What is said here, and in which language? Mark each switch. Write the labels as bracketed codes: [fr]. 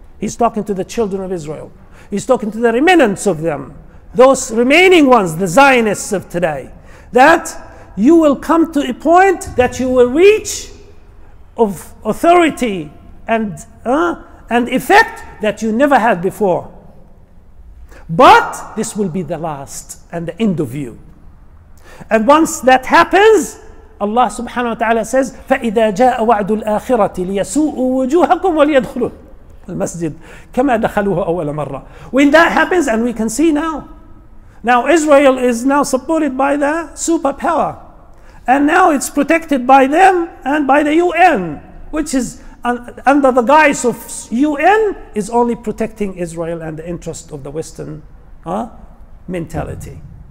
[en] He's talking to the children of Israel. He's talking to the remnants of them, those remaining ones, the Zionists of today, that you will come to a point that you will reach of authority and effect that you never had before. But this will be the last and the end of you. And once that happens, Allah subhanahu wa ta'ala says, [ar] فَإِذَا جَاءَ وَعْدُ الْآخِرَةِ لِيَسُوءُوا وُجُوهَكُمْ وَلِيَدْخُلُوا الْمَسْجِدِ كَمَا دَخَلُوهُ أَوَّلَ مَرَّةِ. [en] When that happens, and we can see now Israel is now supported by the superpower. And now it's protected by them and by the UN, which is under the guise of UN, is only protecting Israel and the interest of the Western mentality.